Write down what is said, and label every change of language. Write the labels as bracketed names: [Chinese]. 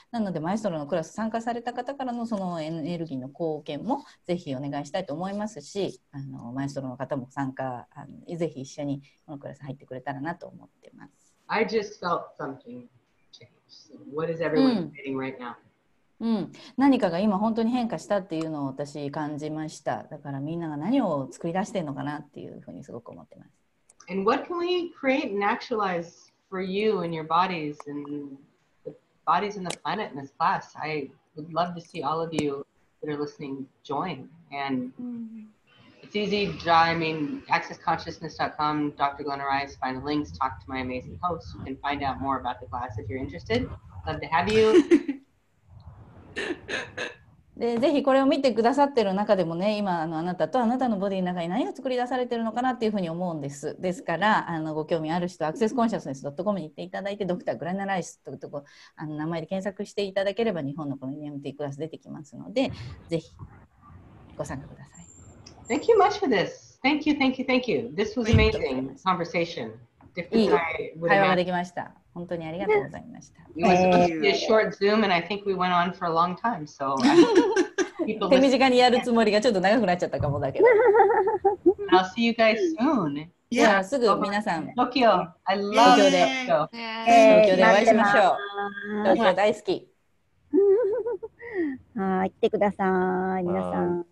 [Japanese] なのでマエストロのクラス参加された方からのそのエネルギーの貢献もぜひお願いしたいと思いますしマエストロの方も参加ぜひ一緒にこのクラス入ってくれたらなと思ってます。 [English] I just felt something changed. What is everyone feeling right now? [Japanese] 何かが今本当に変化したっていうのを私感じました。だからみんなが何を作り出してるのかなっていうふうにすごく思ってます。 [English] And what can we create and actualize for you and your bodies and the bodies and the planet in this class? I would love to see all of you that are listening join. And it's easy, accessconsciousness.com, Dr. Glenn Arise, find the links, talk to my amazing host. You can find out more about the class if you're interested. Love to have you. [Japanese] でぜひこれを見てくださってる中でもね今あなたとあなたのボディの中に何が作り出されてるのかなっていうふうに思うんです。ですからご興味ある人アクセスコンシャスネス .com に行っていただいてドクターグラナライスというところ名前で検索していただければ日本のこの EMT クラス出てきますのでぜひご参加ください。 [English] Thank you much for this. Thank you, thank you, thank you. This was amazing conversation. [Japanese] いい会話ができました。本当にありがとうございました。 [English] It was a short Zoom and I think we went on for a long time, so... [Japanese] 手短にやるつもりがちょっと長くなっちゃったかもだけど。 [English] I'll see you guys soon! [Japanese] Yeah. すぐ皆さん。 [English] Tokyo. I love Tokyo. [Japanese] で、Tokyo でお会いしましょう。Tokyo 大好き。はい、行ってください、皆さん。